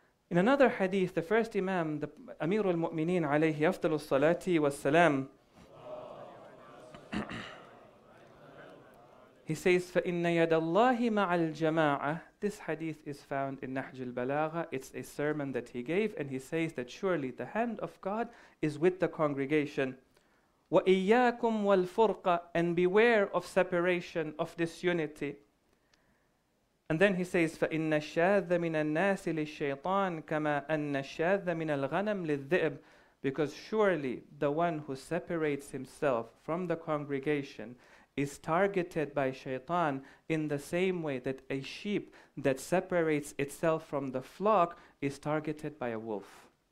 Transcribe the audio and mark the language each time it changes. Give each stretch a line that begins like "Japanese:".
English: In another hadith, the first imam, the Amir al-Mu'mineen
Arabic: alayhi afdalu salati wa salam,
English: he says,
Arabic: فَإِنَّ يَدَ اللَّهِ مَعَ الْجَمَاعَةِ.
English: This hadith is found in Nahj al-Balagha. It's a sermon that he gave, and he says that surely the hand of God is with the congregation.
Arabic: وَإِيَّاكُمْ وَالْفُرْقَ.
English: And beware of separation, of disunity. And then he says,
Arabic: فَإِنَّ الشَّاذَ مِنَ النَّاسِ لِلشَّيْطَانِ كَمَا أَنَّ الشَّاذَ مِنَ الْغَنَمِ لِلذِّئِبِ.
English: Because surely the one who separates himself from the congregation is targeted by shaitan in the same way that a sheep that separates itself from the flock is targeted by a wolf.